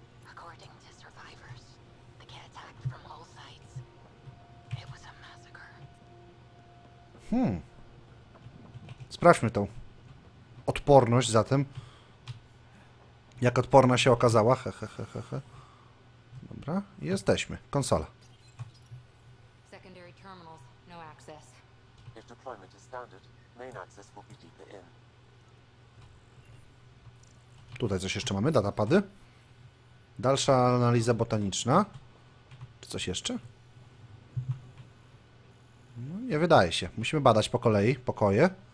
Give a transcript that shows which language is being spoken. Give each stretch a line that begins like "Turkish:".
English: According to survivors, the kid attacked from all sides. It was a massacre.
Polish: Sprawdźmy tą odporność zatem. Jak odporna się okazała. Dobra, jesteśmy. Konsola.
English: Secondary terminals, no access. If deployment is standard, main access will be deeper in.
Polish: Tutaj coś jeszcze mamy, datapady. Dalsza analiza botaniczna. Czy coś jeszcze? No, nie wydaje się. Musimy badać po kolei pokoje.